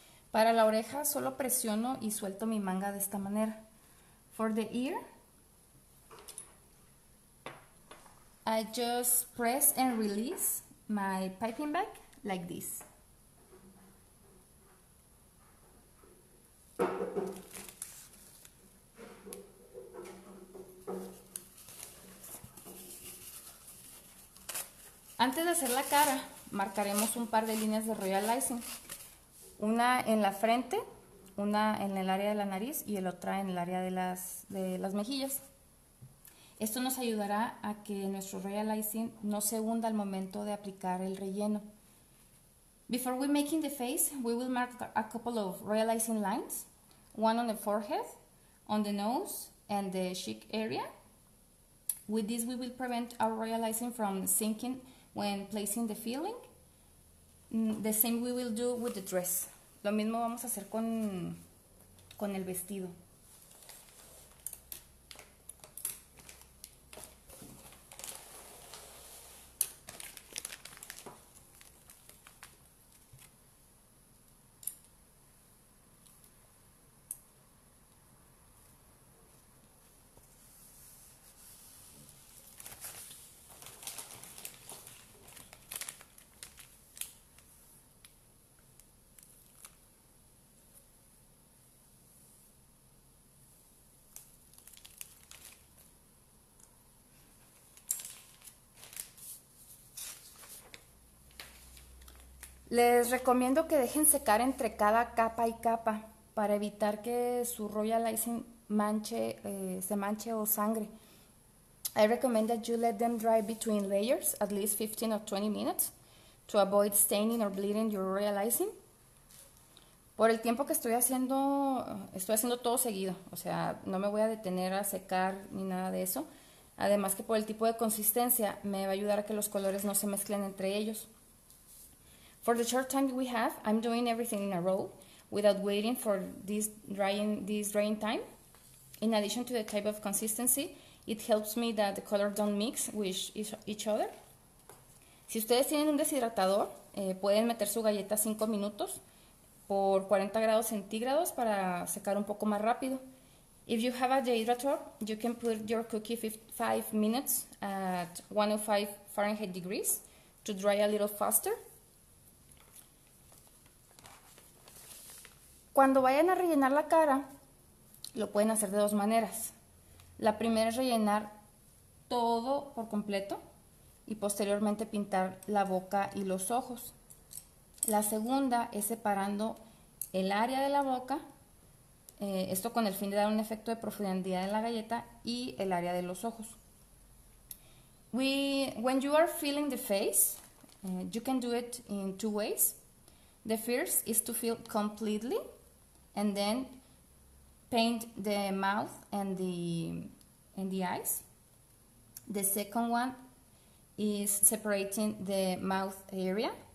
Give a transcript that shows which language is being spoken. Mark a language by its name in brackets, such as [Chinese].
[Spanish] Para la oreja solo presiono y suelto mi manga de esta manera. [English] For the ear, I just press and release my piping bag like this. [Spanish] Antes de hacer la cara, marcaremos un par de líneas de royal icing. Una en la frente, una en el área de la nariz y el otra en el área de las mejillas. Esto nos ayudará a que nuestro royal icing no se hunda al momento de aplicar el relleno. [English] Before we making the face, we will mark a couple of royal icing lines. One on the forehead, on the nose and the cheek area. With this we will prevent our royal icing from sinking when placing the filling. The same we will do with the dress. [Spanish] Lo mismo vamos a hacer con el vestido. Les recomiendo que dejen secar entre cada capa y capa para evitar que su royal icing se manche o sangre. [English] I recommend that you let them dry between layers at least 15 or 20 minutes to avoid staining or bleeding your royal icing. [Spanish] Por el tiempo que estoy haciendo todo seguido, o sea, no me voy a detener a secar ni nada de eso. Además que por el tipo de consistencia me va a ayudar a que los colores no se mezclen entre ellos. [English] For the short time we have, I'm doing everything in a row without waiting for this drying time. In addition to the type of consistency, it helps me that the colors don't mix with each other. [Spanish] Si ustedes tienen un deshidratador, pueden meter su galleta 5 minutos por 40 grados centígrados para secar un poco más rápido. [English] If you have a dehydrator, you can put your cookie 5 minutes at 105 Fahrenheit degrees to dry a little faster. [Spanish] Cuando vayan a rellenar la cara, lo pueden hacer de dos maneras. La primera es rellenar todo por completo y posteriormente pintar la boca y los ojos. La segunda es separando el área de la boca, esto con el fin de dar un efecto de profundidad en la galleta y el área de los ojos. [English] When you are filling the face, you can do it in two ways. The first is to fill completely. And then paint the mouth and the eyes. The second one is separating the mouth area.